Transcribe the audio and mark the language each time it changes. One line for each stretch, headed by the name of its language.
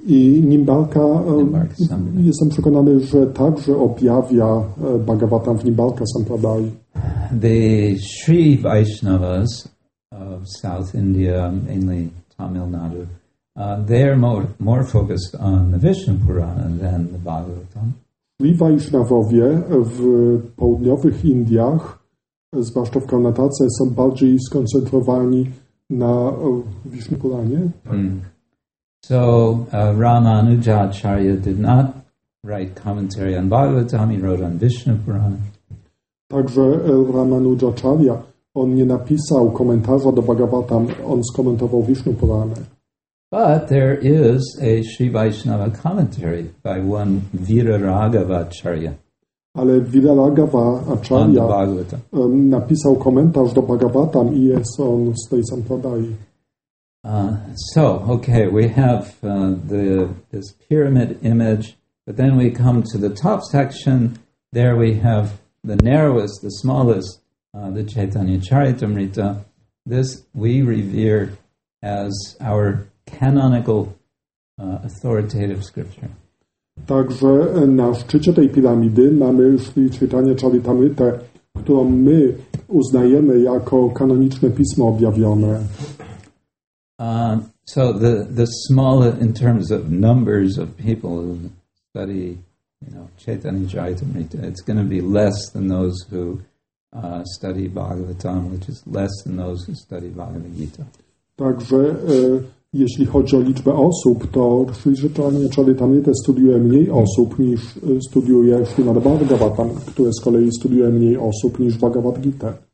Polish: I Nimbarka, jestem przekonany, że także objawia Bhagavatam w Nimbarka Sampradaya.
English: The Sri Vaishnavas of South India, mainly Tamil Nadu, they're more focused on the Vishnu Purana than the Bhagavatam.
Polish: Śrī Vaiṣṇavovie w południowych Indiach, zwłaszcza w Karnatace, są bardziej skoncentrowani na Vishnu Puranie.
English: So Ramanujacharya did not write commentary on Bhagavatam, he wrote on Vishnu Purana.
Polish: Także Ramanujacharya, on nie napisał komentarza do Bhagavatam, on skomentował Vishnu Purana.
English: But there is a Śrī Vaiṣṇava commentary by one Viraragavacharya.
Polish: Ale Viraragava Acharya napisał komentarz do Bhagavatam i jest on z tej sampradayi.
English: So, okay, we have this pyramid image, but then we come to the top section. There we have the narrowest, the smallest, the Chaitanya Charitamrita. This we revere as our canonical authoritative scripture.
Polish: Także na szczycie tej piramidy mamy Śrī Chaitanya Charitamrita, którą my uznajemy jako kanoniczne pismo objawione.
English: So the smaller in terms of numbers of people who study, you know, Chaitanya Charitamrita, it's going to be less than those who study Bhagavatam, which is less than those who study Bhagavad Gita.
Polish: Także jeśli chodzi o liczbę osób, to Śrī Chaitanya Charitamrita studiuje mniej osób niż studiuje Śrīmad Bhagavatam, które z kolei studiuje mniej osób niż Bhagavad Gita.